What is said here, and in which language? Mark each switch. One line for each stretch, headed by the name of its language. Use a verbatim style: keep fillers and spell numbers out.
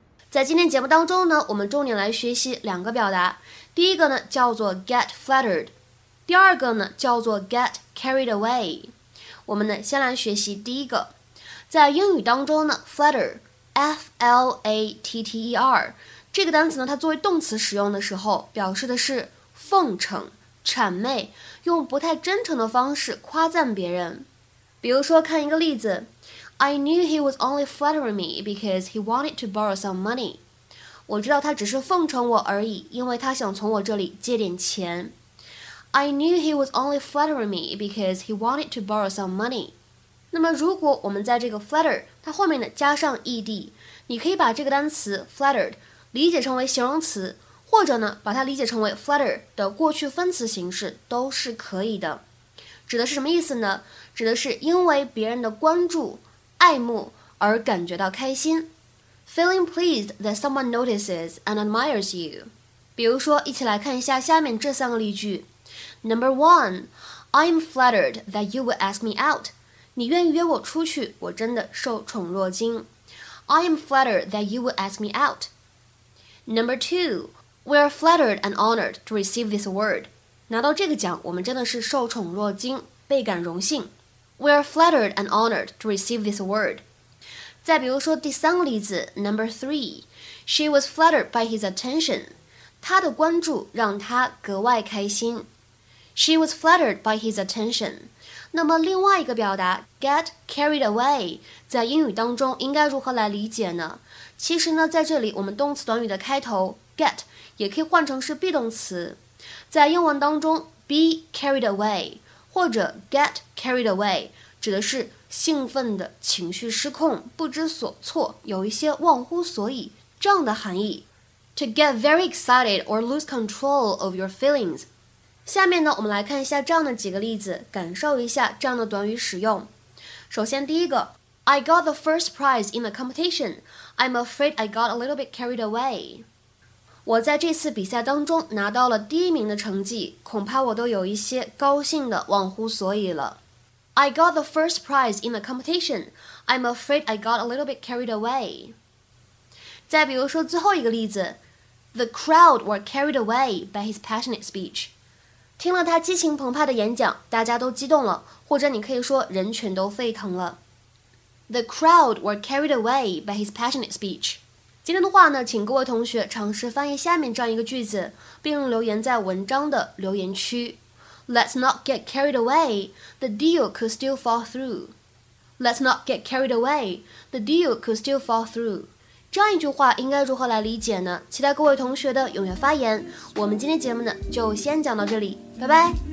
Chinese: 在今天节目当中呢，我们重点来学习两个表达。第一个呢，叫做 get flattered。第二个呢叫做 get carried away。我们呢先来学习第一个。在英语当中呢 flatter F L A T T E R 这个单词呢，它作为动词使用的时候表示的是奉承谄媚，用不太真诚的方式夸赞别人。比如说看一个例子，
English: I knew he was only flattering me because he wanted to borrow some money。
Chinese: 我知道他只是奉承我而已，因为他想从我这里借点钱。
English: I knew he was only flattering me because he wanted to borrow some money.
Chinese: 那么如果我们在这个 flatter 它后面呢加上 ed， 你可以把这个单词 flattered 理解成为形容词，或者呢把它理解成为 flatter 的过去分词形式都是可以的。指的是什么意思呢？指的是因为别人的关注、爱慕而感觉到开心。
English: Feeling pleased that someone notices and admires you.
Chinese: 比如说，一起来看一下下面这三个例句。
English: Number one, I'm flattered that you would ask me out.
Chinese: 你愿意约我出去，我真的受宠若惊。
English: I am flattered that you would ask me out. Number two, we are flattered and honored to receive this award.
Chinese: 拿到这个奖，我们真的是受宠若惊，倍感荣幸。
English: We are flattered and honored to receive this award.
Chinese: 再比如说第三个例子
English: ，Number three, she was flattered by his attention.
Chinese: 她的关注让她格外开心。
English: She was flattered by his attention.
Chinese: 那么另外一个表达 get carried away 在英语当中应该如何来理解呢？其实呢，在这里我们动词短语的开头 get 也可以换成是 be 动词。在英文当中 be carried away 或者 get carried away 指的是兴奋的情绪失控不知所措有一些忘乎所以这样的含义
English: to get very excited or lose control of your feelings
Chinese: 下面呢我们来看一下这样的几个例子感受一下这样的短语使用首先第一个
English: I got the first prize in the competition I'm afraid I got a little bit carried away
Chinese: 我在这次比赛当中拿到了第一名的成绩，恐怕我都有一些高兴的忘乎所以了。
English: I got the first prize in the competition. I'm afraid I got a little bit carried away.
Chinese: 再比如说最后一个例子
English: ，The crowd were carried away by his passionate speech.
Chinese: 听了他激情澎湃的演讲，大家都激动了，或者你可以说人群都沸腾了。
English: The crowd were carried away by his passionate speech.
Chinese: 今天的话呢，请各位同学尝试翻译下面这样一个句子，并留言在文章的留言区。
English: Let's not get carried away. The deal could still fall through. Let's not get carried away. The deal could still fall through.
Chinese: 这样一句话应该如何来理解呢？期待各位同学的踊跃发言。我们今天节目呢，就先讲到这里，拜拜。